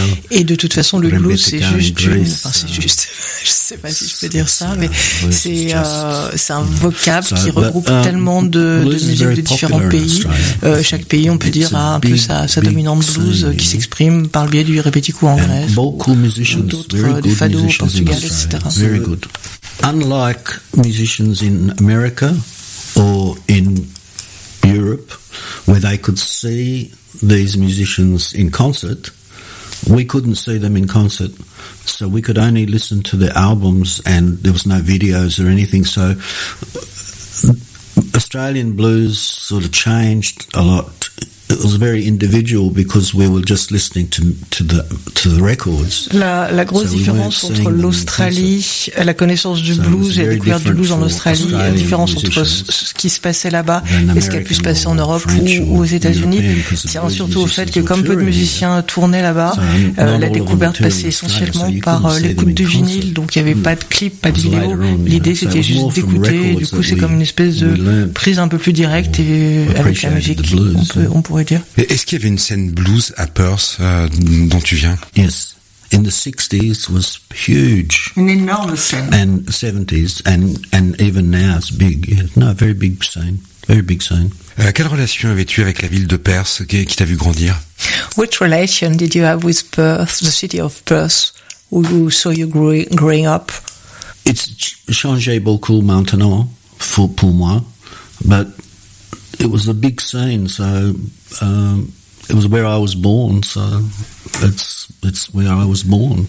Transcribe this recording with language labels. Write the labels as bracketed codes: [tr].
[fr] Et de toute façon, le blues, c'est juste je sais pas si je peux dire ça, mais c'est un vocable qui regroupe tellement de musiques de différents pays. Chaque pays, on peut dire, a un peu sa dominante blues qui s'exprime par le biais du répétiku en Grèce, d'autres fado au Portugal, etc. [en] Very good. Unlike musicians in America or in Europe, where they could see these musicians in concert, we couldn't see them in concert. So we could only listen to the albums, and there was no videos or anything. So Australian blues sort of changed a lot it was very individual because we were just listening to the records. [fr] La grosse différence entre l'Australie, la connaissance du blues et la découverte du blues en Australie, la différence entre ce qui se passait là-bas et ce qui a pu se passer en Europe ou aux États-Unis, tient surtout au fait que comme peu de musiciens tournaient là-bas, la découverte passait essentiellement par l'écoute de vinyle, donc il n'y avait pas de clip, pas de vidéo. L'idée c'était juste d'écouter, du coup c'est comme une espèce de prise un peu plus directe et avec la musique, on pourrait dire. Mais est-ce qu'il y avait une scène blues à Perth dont tu viens? [en] Yes. In the 60s was huge. An enormous scene. And 70s and even now it's big. No, very big scene. Very big scene. [fr] Quelle relation avais-tu avec la ville de Perth qui t'a vu grandir? [en] Which relation did you have with Perth, the city of Perth, who you saw you growing up? It's [fr] changé beaucoup maintenant pour moi, [en] but it was a big scene, so it was where I was born, so it's where I was born.